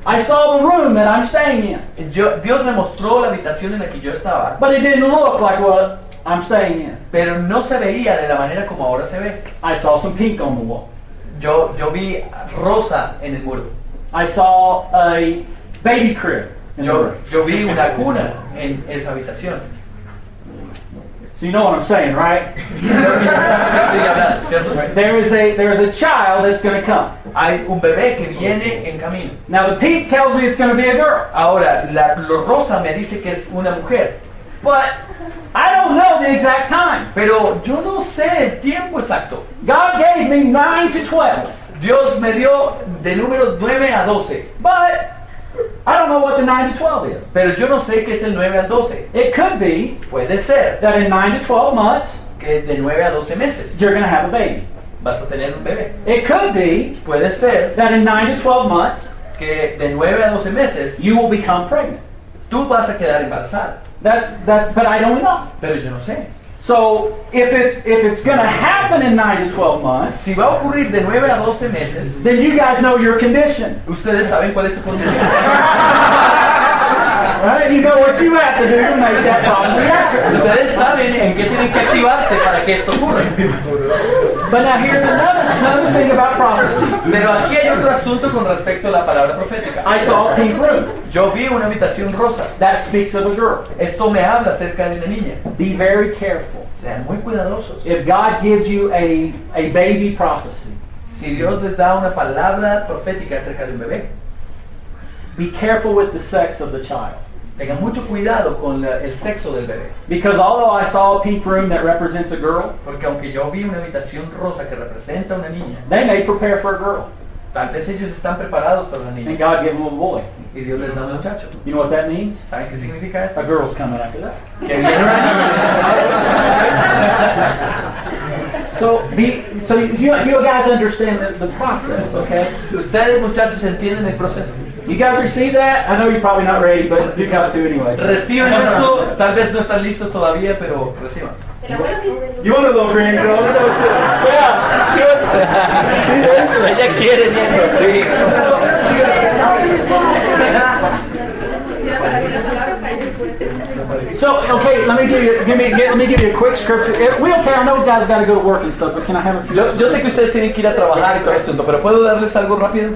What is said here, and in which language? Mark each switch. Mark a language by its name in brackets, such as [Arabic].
[English] I saw the room that I'm staying in. [Spanish] Dios me mostró la habitación en la que yo estaba. [English] But it didn't look like what I'm staying in. [Spanish] Pero no se veía de la manera como ahora se ve. [English] I saw some pink on the wall. [Spanish] Yo vi rosa en el muro. [English] I saw a baby crib. [Spanish] Yo vi una cuna en esa habitación. [English] So you know what I'm saying, right? There is a child that's going to come. [Spanish] Hay un bebé que viene en camino. [English] Now the pink tells me it's going to be a girl. [Spanish] Ahora la rosa me dice que es una mujer. [English] But I don't know the exact time. [Spanish] Pero yo no sé el tiempo exacto. [English] God gave me 9 to 12. [Spanish] Dios me dio de números 9 a 12. [English] But I don't know what the 9 to 12 is. [Spanish] Pero yo no sé qué es el 9 al 12. [English] It could be. [Spanish] Puede ser. [English] That in 9 to 12 months. [Spanish] Que de 9 a 12 meses. [English] You're going to have a baby. [Spanish] Vas a tener un bebé. [English] It could be. [Spanish] Puede ser. [English] That in 9 to 12 months. [Spanish] Que de 9 a 12 meses. [English] You will become pregnant. [Spanish] Tú vas a quedar embarazada. [English] But I don't know. [Spanish] Pero yo no sé. [English] So if it's going to happen in 9 to 12 months, [Spanish] si va a ocurrir de 9 a 12 meses, [English] then you guys know your condition. [Spanish] Ustedes saben cuál es su condición. [English] Right? You know what you have to do to make that problem reactive. [Spanish] Ustedes saben en qué tienen que activarse para que esto ocurra. [English] But now here's another thing about prophecy. [Spanish] Pero aquí hay otro asunto con respecto a la palabra profética. [English] I saw a pink room. [Spanish] Yo vi una habitación rosa. [English] That speaks of a girl. [Spanish] Esto me habla acerca de una niña. [English] Be very careful. [Spanish] Sean muy cuidadosos. [English] If God gives you a baby prophecy, [Spanish] si Dios les da una palabra profética acerca de un bebé, [English] be careful with the sex of the child. [Spanish] Tenga mucho cuidado con el sexo del bebé. [English] Because although I saw a pink room that represents a girl, [Spanish] porque aunque yo vi una habitación rosa que representa una niña, [English] they may prepare for a girl. [Spanish] Tal vez ellos están preparados para una niña. [English] And God gave them a boy. [Spanish] Y Dios les da un muchacho. [English] You know what that means? [Spanish] ¿Saben qué significa esto? [English] A girl's coming after that. [Spanish] Que viene una niña. [English] So you guys understand the process, okay? [Spanish] Ustedes muchachos entienden el proceso. [English] You guys receive that? I know you're probably not ready, but you got to anyway. [Spanish] Reciban eso. Tal vez no están listos todavía, pero reciban. [English] You want a little green girl, don't you? Yeah. [Spanish] Ella quiere, niño. Sí. [English] So, okay, let me give you a quick scripture. We okay, I know you guys got to go to work and stuff, but can I have a few? [Spanish] Yo sé que ustedes tienen que ir a trabajar y todo esto, pero ¿puedo darles algo rápido?